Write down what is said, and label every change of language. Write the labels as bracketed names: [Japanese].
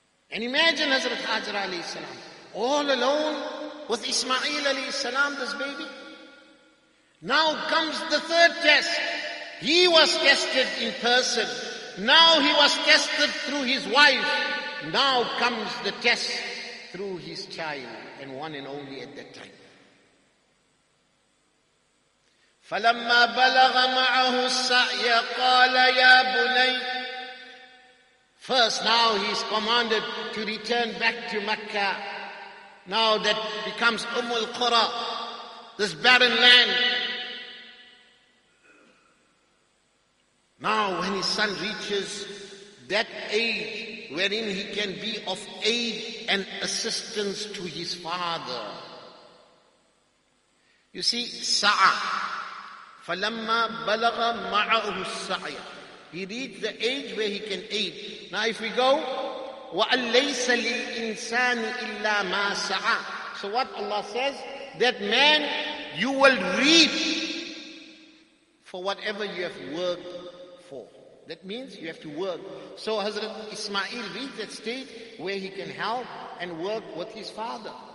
[English] And imagine Hazrat Hajar alayhi salam, all alone with Ismail alayhi salam, this baby. Now comes the third test. He was tested in person. Now he was tested through his wife. Now comes the test through his child, and one and only at that time. [Arabic] فلما بلغ معه السعي قال يا بني. [English] First, now he is commanded to return back to Mecca. Now that becomes Umm al-Qura, this barren land. Now when his son reaches that age wherein he can be of aid and assistance to his father. You see, [Arabic] Sa'a. فَلَمَّا بَلَغَ مَعَهُ السَّعْيَ. [English] He reached the age where he can aid. Now if we go, [Arabic] وَأَلَّيْسَ لِلْإِنسَانِ إِلَّا مَا سَعَى. [English] So what Allah says, that man, you will reap for whatever you have worked for. That means you have to work. So Hazrat Ismail reached that state where he can help and work with his father.